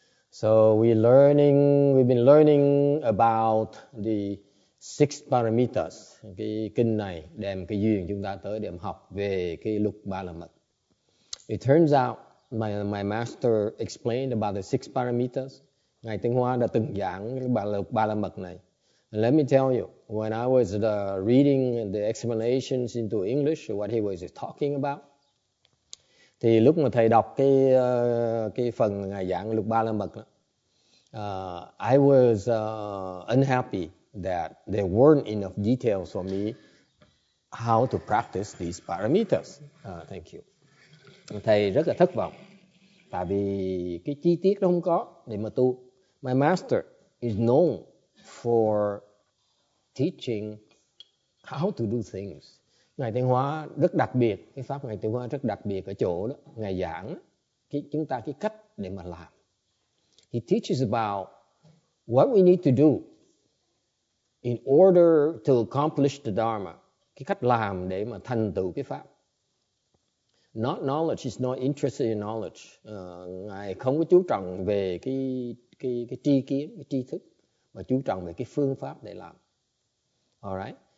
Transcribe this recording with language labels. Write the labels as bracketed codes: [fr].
[en] So we've been learning about the six paramitas. [vi] Cái kinh này đem cái duyên chúng ta tới điểm học về cái lục ba la mật. [en] It turns out my master explained about the six paramitas. [vi] Ngài Tinh Hoa đã từng giảng ba la mật này. [en] And let me tell you, when I was reading the explanations into English, what he was talking about, [vi] thì lúc mà thầy đọc cái phần ngài giảng lục ba la mật, [en] I was unhappy that there weren't enough details for me how to practice these paramitas. Thank you. [vi] Thầy rất là thất vọng, tại vì cái chi tiết nó không có để mà tu. [en] My master is known for teaching how to do things. [vi] Ngài Tiên Hóa rất đặc biệt, cái pháp Ngài Tiên Hóa rất đặc biệt ở chỗ đó. Ngài giảng chúng ta cái cách để mà làm. [en] He teaches about what we need to do in order to accomplish the Dharma. [vi] Cái cách làm để mà thành tựu cái pháp. [en] Not knowledge, he's not interested in knowledge. [vi] Ngài không có chú trọng về cái tri kiến, cái tri thức, mà chú trọng về cái phương pháp để làm. [en] All right.